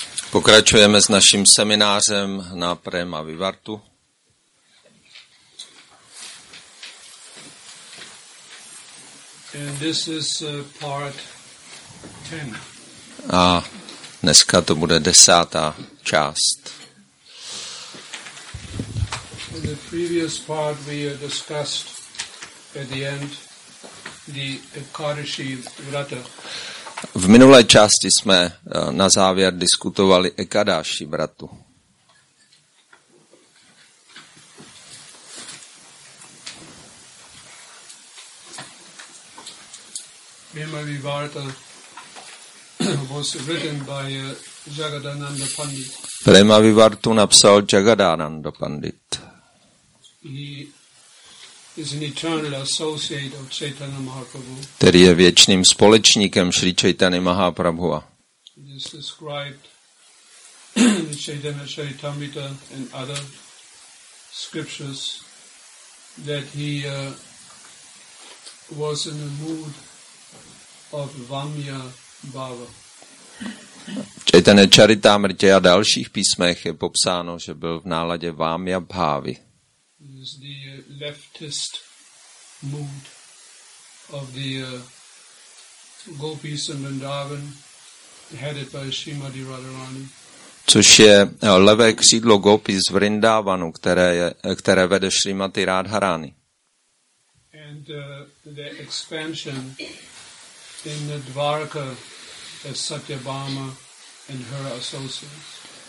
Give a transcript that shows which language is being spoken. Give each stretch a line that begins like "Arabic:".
Czech: Pokračujeme s naším seminářem na Prema Vivartu.
English: And this is part 10.
Czech: A dneska to bude desátá část.
English: In the previous part we discussed at the end the Ekadashi Vrata.
Czech: V minulé části jsme na závěr diskutovali Ekadashi Vratu.
English: Prema Vivarta was written by Jagadananda Pandit.
Czech: Prema Vivartu napsal Jagadananda Pandit.
English: He is an eternal associate of Chaitanya Mahaprabhu.
Czech: Který je věčným společníkem Sri Chaitany Mahaprabhuva.
English: He is described in Chaitanya Charitamrita and other scriptures that he was in a mood of Vamya Bhava.
Czech: V Chaitanya Charitamrita a dalších písmech je popsáno, že byl v náladě Vamya Bhavy.
English: Is the leftist mood of the gopis in Vrindavan headed by Srimati Radharani.
Czech: Což je levé křídlo gopis Vrindavanu, které vede Srimati Radharani.
English: And the expansion in the Dvaraka as Satyabhama and her associates.